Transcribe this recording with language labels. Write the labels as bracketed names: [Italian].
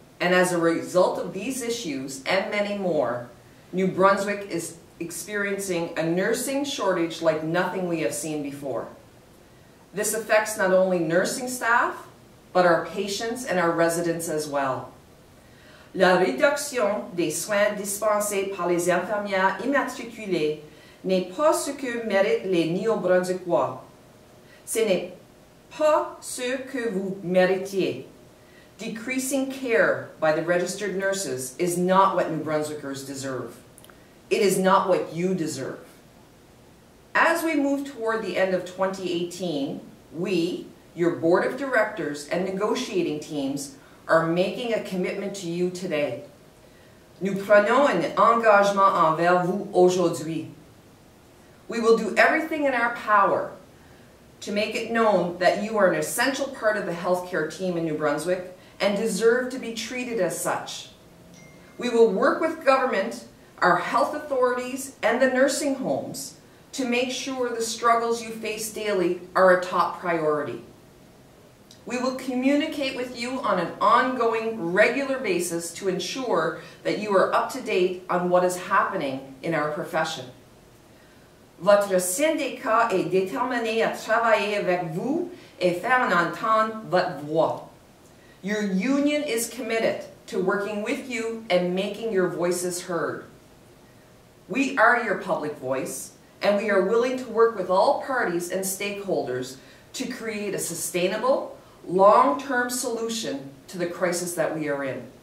[English] And as a result of these issues and many more, New Brunswick is experiencing a nursing shortage like nothing we have seen before. This affects not only nursing staff, but our patients and our residents as well. [French] La réduction des soins dispensés par les infirmières immatriculées n'est pas ce que méritent les Néo-Brunswickois. Ce n'est pas ce que vous méritiez. [English] Decreasing care by the registered nurses is not what New Brunswickers deserve. It is not what you deserve. As we move toward the end of 2018, we, your board of directors and negotiating teams, are making a commitment to you today. [French] Nous prenons un engagement envers vous aujourd'hui. [English] We will do everything in our power to make it known that you are an essential part of the healthcare team in New Brunswick and deserve to be treated as such. We will work with government, our health authorities, and the nursing homes to make sure the struggles you face daily are a top priority. We will communicate with you on an ongoing, regular basis to ensure that you are up to date on what is happening in our profession. [French] Votre syndicat est déterminé à travailler avec vous et faire entendre votre voix. [English] Your union is committed to working with you and making your voices heard. We are your public voice, and we are willing to work with all parties and stakeholders to create a sustainable, long-term solution to the crisis that we are in.